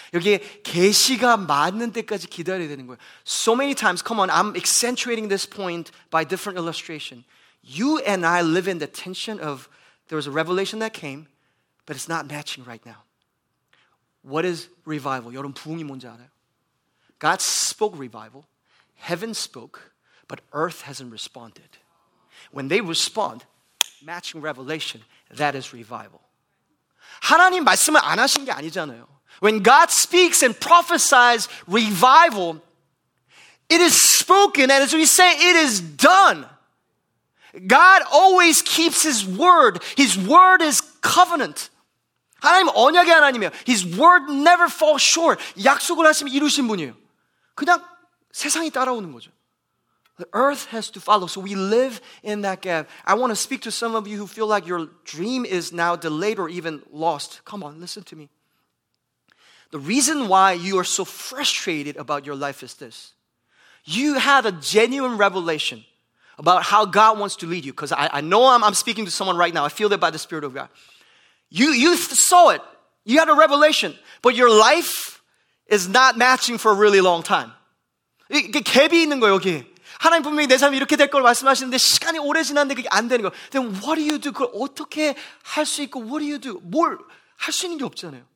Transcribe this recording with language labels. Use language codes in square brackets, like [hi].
[ko] 여기에 계시가 맞는 때까지 기다려야 되는 거예요. [en] So many times, come on, I'm accentuating this point by different illustration. You and I live in the tension of there was a revelation that came, but it's not matching right now. What is revival? [ko] 여러분, 부흥이 뭔지 알아요? [en] God spoke revival. Heaven spoke, but earth hasn't responded. When they respond, matching revelation, that is revival. [ko] 하나님 말씀을 안 하신 게 아니잖아요. [en] When God speaks and prophesies revival, it is spoken, and as we say, it is done. God always keeps his word. His word is covenant. [ko] 하나님 언약의 하나님이에요. [en] His word never falls short. [ko] 약속을 하시면 이루신 분이에요. 그냥 세상이 따라오는 거죠. [en] The earth has to follow. So we live in that gap. I want to speak to some of you who feel like your dream is now delayed or even lost. Come on, listen to me. The reason why you are so frustrated about your life is this. You have a genuine revelation about how God wants to lead you. Because I know I'm speaking to someone right now. I feel that by the Spirit of God. You saw it. You had a revelation. But your life is not matching for a really long time. [ko] 이게 갭이 있는 거예요, 여기. 하나님 분명히 내 삶이 이렇게 될 걸 말씀하시는데 시간이 오래 지났는데 그게 안 되는 거. [en] Then what do you do? [ko] 그걸 어떻게 할 수 있고 [en] what do you do? [ko] 뭘 할 수 있는 게 없잖아요.